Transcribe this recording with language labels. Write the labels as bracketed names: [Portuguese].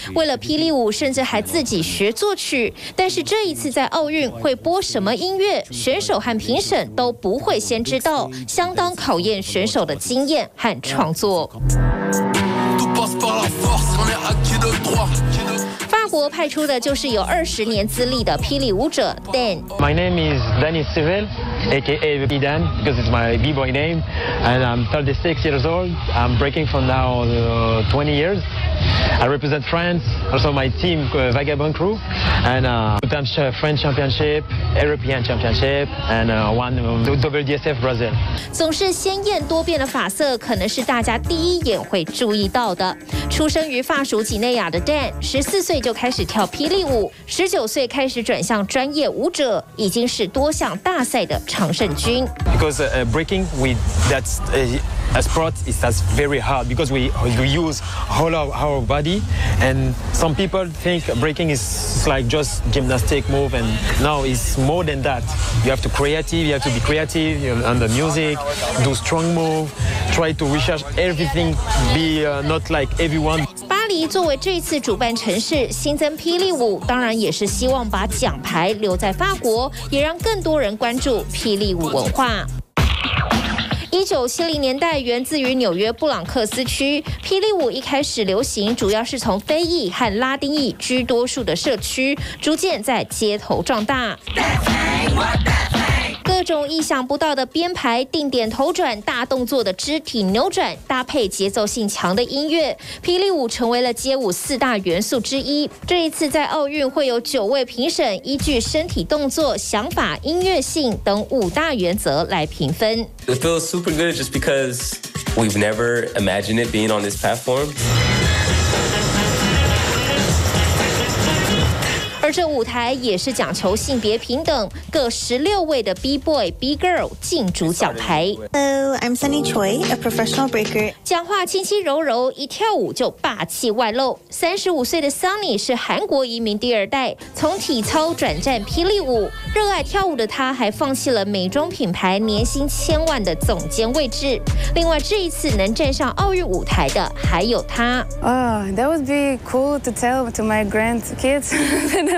[Chinese] 为了霹雳舞，甚至还自己学作曲。但是这一次在奥运会播什么音乐，选手和评审都不会先知道。相当考验选手的经验和创作。法国派出的就是有二十年资历的霹雳舞者 Dan。 [English] My name is Danny Civil, A.K.A. B Dan, because it's my b-boy name, and I'm 36 years old. I'm breaking for now 20 years. I represent France, also my team, Vagabond Crew, and two-time French Championship, European Championship, and one WDSF Brazil. [Chinese] 总是鲜艳多变的发色可能是大家第一眼会注意到的。出生于法属几内亚的 Dan, 14岁就开始跳霹雳舞 ,19 岁开始转向专业舞者，已经是多项大赛的常胜军。 [English] Because breaking with that's a sport is that's very hard because we use all our body and some people think breaking is like just gymnastic move and now it's more than that. You have to be creative on the music, do strong move, try to research everything, be not like everyone. [Chinese] 巴黎作为这次主办城市，新增霹雳舞，当然也是希望把奖牌留在法国，也让更多人关注霹雳舞文化。 1970年代源自于纽约布朗克斯区，霹雳舞一开始流行主要是从非裔和拉丁裔居多数的社区，逐渐在街头壮大。各种意想不到的编排、定点头转、大动作的肢体扭转，搭配节奏性强的音乐，霹雳舞成为了街舞四大元素之一。这一次在奥运会有九位评审依据身体动作、想法、音乐性等五大原则来评分。 [English] It feels super good just because we've never imagined it being on this platform. [Chinese] 而这舞台也是讲求性别平等，各十六位的 B-boy、B-girl 竞逐奖牌。 [English] Hello, I'm Sunny Choi, a professional breaker. [Chinese] 讲话轻轻柔柔，一跳舞就霸气外露。 35岁的 Sunny 是韩国移民第二代，从体操转战霹雳舞。热爱跳舞的他还放弃了美妆品牌年薪千万的总监位置。另外，这一次能站上奥运舞台的还有他。 [English] That would be cool to tell to my grandkids.